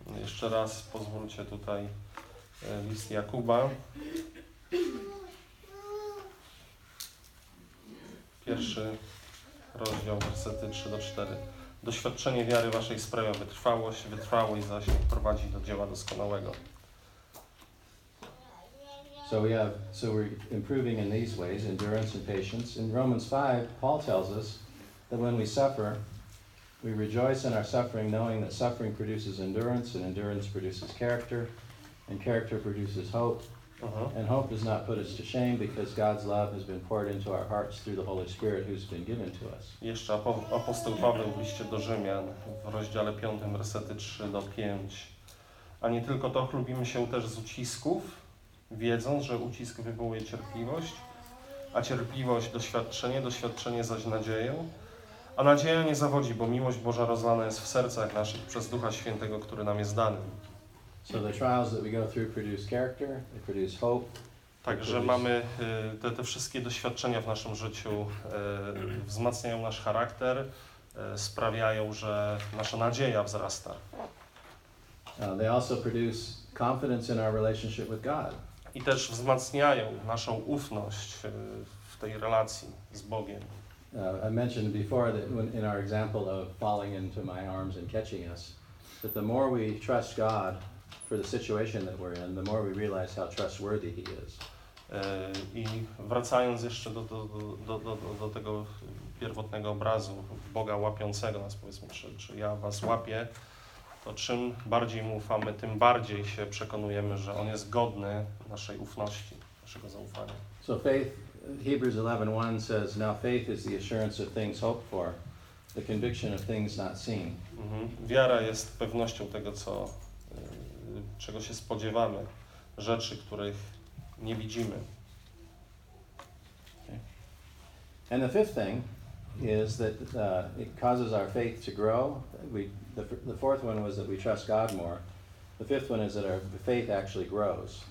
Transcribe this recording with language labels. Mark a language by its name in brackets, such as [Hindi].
[Polish] Jeszcze raz pozwólcie tutaj list Jakuba. Pierwszy rozdział, wersety 3-4. Doświadczenie wiary waszej sprawia wytrwałość, wytrwałość zaś prowadzi do dzieła doskonałego. [English] So we have, so we're improving in these ways, endurance and patience. In Romans 5, Paul tells us that when we suffer, we rejoice in our suffering, knowing that suffering produces endurance, and endurance produces character, and character produces hope. And hope does not put us to shame, because God's love has been poured into our hearts through the Holy Spirit who's been given to us. [Polish] Jeszcze apostoł Paweł w liście do Rzymian, w rozdziale 5, wersety 3-5. A nie tylko to, chlubimy się też z ucisków, wiedząc, że ucisk wywołuje cierpliwość, a cierpliwość doświadczenie, doświadczenie zaś nadzieję. A nadzieja nie zawodzi, bo miłość Boża rozlana jest w sercach naszych przez Ducha Świętego, który nam jest dany. [English] So the trials that we go through produce character, they produce hope. [Polish] Także mamy te wszystkie doświadczenia w naszym życiu wzmacniają nasz charakter, sprawiają, że nasza nadzieja wzrasta. [English] They also produce confidence in our relationship with God. [Polish] I też wzmacniają naszą ufność w tej relacji z Bogiem. [English] I mentioned before that in our example of falling into my arms and catching us, that the more we trust God for the situation that we're in, the more we realize how trustworthy He is. [Polish] I wracając jeszcze do tego pierwotnego obrazu Boga łapiącego nas, powiedzmy, czy ja was łapię, to czym bardziej mu ufamy, tym bardziej się przekonujemy, że On jest godny naszej ufności, naszego zaufania. [English] So faith, Hebrews 11:1 says, now faith is the assurance of things hoped for, the conviction of things not seen. [Polish] Wiara jest pewnością tego, co czego się spodziewamy, rzeczy, których nie widzimy. [English] Okay. And the fifth thing is that it causes our faith to grow. The fourth one was that we trust God more. The fifth one is that our faith actually grows.